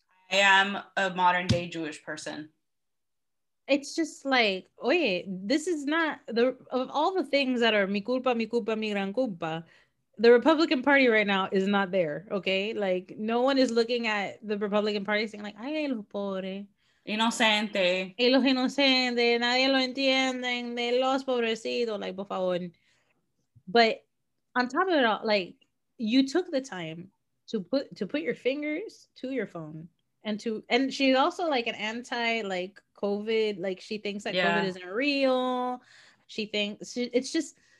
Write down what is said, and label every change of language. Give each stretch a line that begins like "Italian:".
English: I am a modern day Jewish person. It's just like, oye, this is not the, of all the things that are
Spanish: mi culpa, mi gran culpa,
English: the Republican Party right now is not there, okay? Like, no one is looking at the Republican Party saying, like,
Spanish: ay, los pobres. Inocente. Y los inocentes, nadie lo entienden, de los pobrecitos,
English: like,
Spanish: por favor.
English: But on top of it all, like, you took the time to put your fingers to your phone. And she's also, like, an anti, like, COVID. Like, she thinks that COVID isn't real. She thinks, it's just...